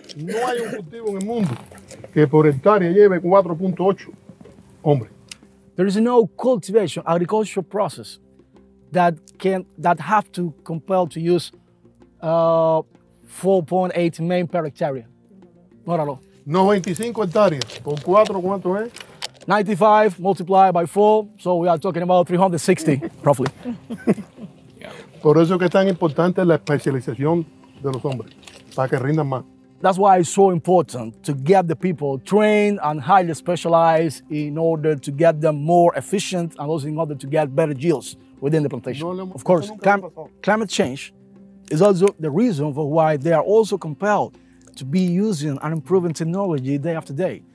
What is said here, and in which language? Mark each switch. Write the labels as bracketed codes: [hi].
[es] No hay un cultivo en el mundo que por hectárea lleve 4.8 hombres. [en] There is no cultivation, agricultural process that can that have to compel to use 4.8 main per hectare. Not at all. [es] 95 hectares, con 4, ¿cuánto es? [en] 95 multiplied by 4, so we are talking about 360, roughly. [es] Por eso que es tan importante la especialización de los hombres, para que rindan más. [en] That's why it's so important to get the people trained and highly specialized in order to get them more efficient and also in order to get better yields within the plantation. Of course, climate change is also the reason for why they are also compelled to be using and improving technology day after day.